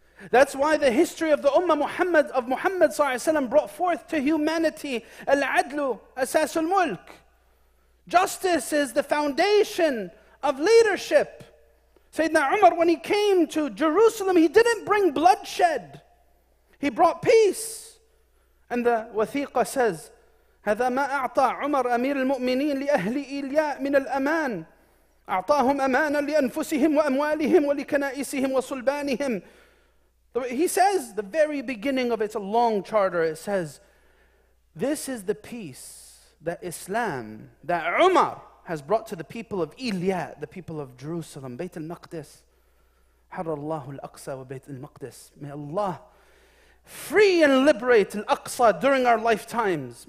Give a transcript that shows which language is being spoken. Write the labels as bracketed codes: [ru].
[en] That's why the history of the Ummah Muhammad, of Muhammad sallallahu alayhi wa sallam, brought forth to humanity [ar] al-adlu asasul mulk. [en] Justice is the foundation of leadership. Sayyidina Umar, when he came to Jerusalem, he didn't bring bloodshed. He brought peace. And the wathiqa says, [ar] هذا ما أعطى عمر أمير المؤمنين لأهل إيلياء من الأمان أعطاهم أمانا لأنفسهم وأموالهم ولكنائسهم وصلبانهم. [en] He says, the very beginning of it's a long charter, it says, this is the peace that Islam, that Umar has brought to the people of Ilya, the people of Jerusalem, Bayt al-Maqdis. [ar] Harallahu al-Aqsa wa Bayt al-Maqdis. [en] May Allah free and liberate al-Aqsa during our lifetimes.